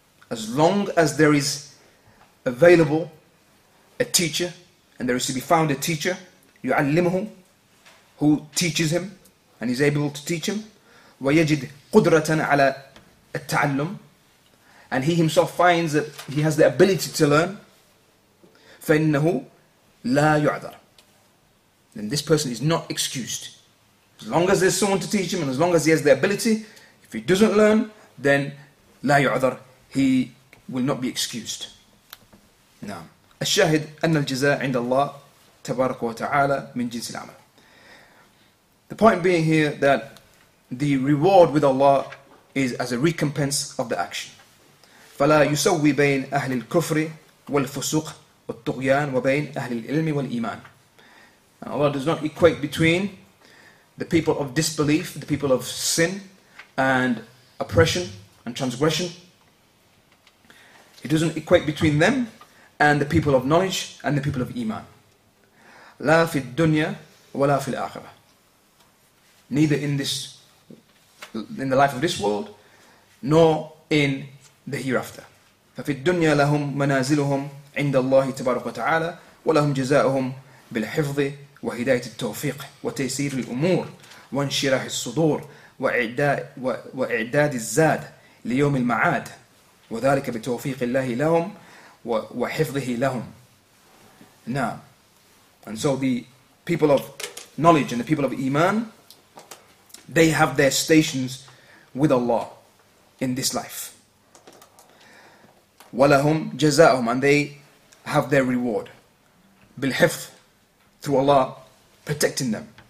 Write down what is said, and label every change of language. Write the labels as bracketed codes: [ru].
[en] As long as there is available a teacher, and there is to be found a teacher, [ar] يُعَلِّمُهُ, [en] who teaches him and is able to teach him, [ar] وَيَجِدْ قُدْرَةً عَلَى التَّعَلُّمْ, [en] and he himself finds that he has the ability to learn, [ar] فَإِنَّهُ لَا يُعْذَرْ, [en] then this person is not excused. As long as there's someone to teach him, and as long as he has the ability, if he doesn't learn, then [ar] لَا يُعْذَرْ, [en] he will not be excused. [ar] نعم. الشاهد أن الجزاء عند الله تبارك وتعالى من جنس العمل. [en] The point being here that the reward with Allah is as a recompense of the action. [ar] فلا يسوي بين أهل الكفر والفسوق والطغيان وبين أهل العلم والإيمان. [en] Allah does not equate between the people of disbelief, the people of sin and oppression and transgression. He doesn't equate between them and the people of knowledge and the people of iman. [ar] لا في الدنيا ولا في الآخرة. [en] Neither in the life of this world nor in the hereafter. [ar] ففي الدنيا لهم منازلهم عند الله تبارك وتعالى ولهم جزاؤهم بالحفظ وهداية التوفيق وتيسير الأمور وانشراح الصدور وإعداد الزاد ليوم المعاد وذلك بتوفيق الله لهم وحفظه لهم. نعم. [en] And so the people of knowledge and the people of iman, they have their stations with Allah in this life. [ar] وَلَهُمْ جَزَاءُهُمْ, [en] and they have their reward. [ar] بِالْحِفْظ, [en] through Allah protecting them.